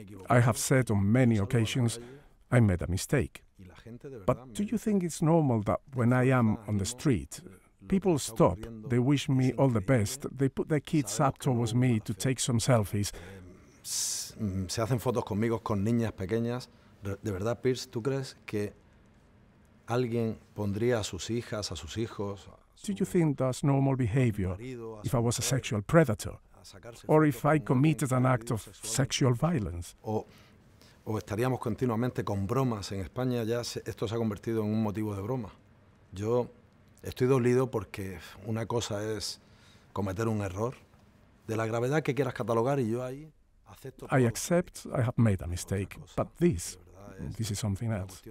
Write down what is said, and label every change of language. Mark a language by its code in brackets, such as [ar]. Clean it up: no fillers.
[en] I have said on many occasions I made a mistake. But do you think it's normal that when I am on the street, people stop, they wish me all the best, they put their kids up towards me to take some selfies? [es] Se hacen fotos conmigo con niñas pequeñas. De verdad, Piers, ¿tú crees que alguien pondría a sus hijas, a sus hijos? [en] Do you think that's normal behavior if I was a sexual predator? Or if I committed an act of sexual violence. [es] O estaríamos continuamente con bromas en España, ya esto se ha convertido en un motivo de broma. Yo estoy dolido porque una cosa es cometer un error de la gravedad que quieras catalogar y yo ahí acepto. [en] I accept I have made a mistake, but this is something else.